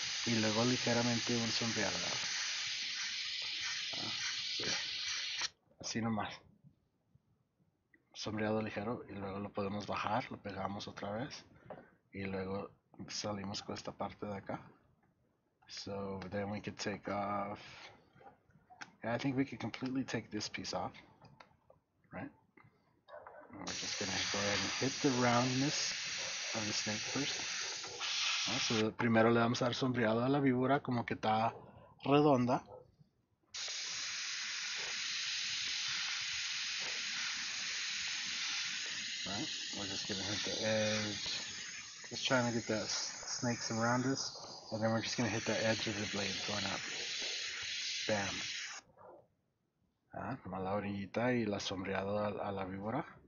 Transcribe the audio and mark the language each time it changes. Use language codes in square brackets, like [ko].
[es] Y luego ligeramente un sombreado. Así nomás. Sombreado ligero. Y luego lo podemos bajar. Lo pegamos otra vez. Y luego salimos con esta parte de acá. [en] So then we could take off. I think we could completely take this piece off. Right? And we're just going to go ahead and hit the roundness of the snake first. [es] So primero le vamos a dar sombreado a la víbora como que está redonda. [en] Right? We're just going to hit the edge. Just trying to get the snakes around us. And then we're just going to hit the edge of the blade going up. Bam. [es] Ah, la orillita y la sombreado a la víbora.